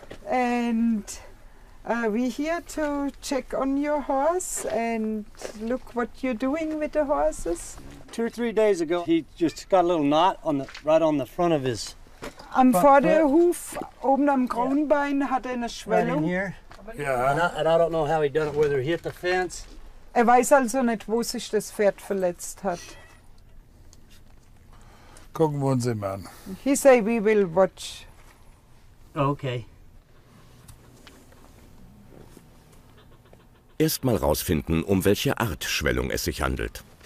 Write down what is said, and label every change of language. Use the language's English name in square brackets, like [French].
[English] And we're here to check on your horse and look what you're doing with the horses. Two or three days ago, he just got a little knot on the right on the front of his... [German] Am Vorderhof, oben am Kronbein, hat eine Schwellung. [English] Right in here. Yeah. And I don't know how he done it, whether he hit the fence. [German] Weiß also nicht, wo sich das Pferd verletzt hat. Gucken wir uns ihn an. [English] He say we will watch. Okay. [German] Erstmal rausfinden, um welche Art Schwellung es sich handelt.